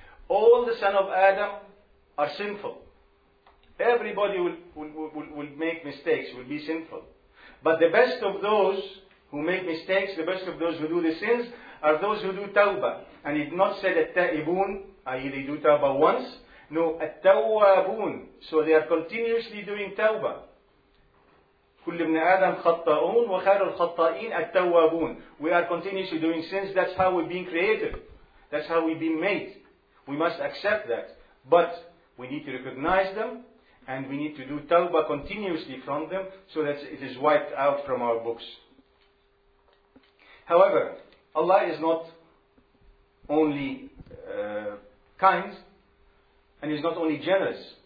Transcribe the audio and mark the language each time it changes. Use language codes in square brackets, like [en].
[en] All the sons of Adam are sinful. Everybody will make mistakes, will be sinful. But the best of those who make mistakes, the best of those who do the sins, are those who do tawbah. And it's not said at-ta'ibun, i.e. they do tawbah once. No, at-tawabun. So they are continuously doing tawbah. [ar] كل ابن آدم خطاؤون وخير الخطائين التوابون. [en] We are continuously doing sins. That's how we've been created. That's how we've been made. We must accept that. But we need to recognize them and we need to do tawbah continuously from them so that it is wiped out from our books. However, Allah is not only kind and He's not only generous.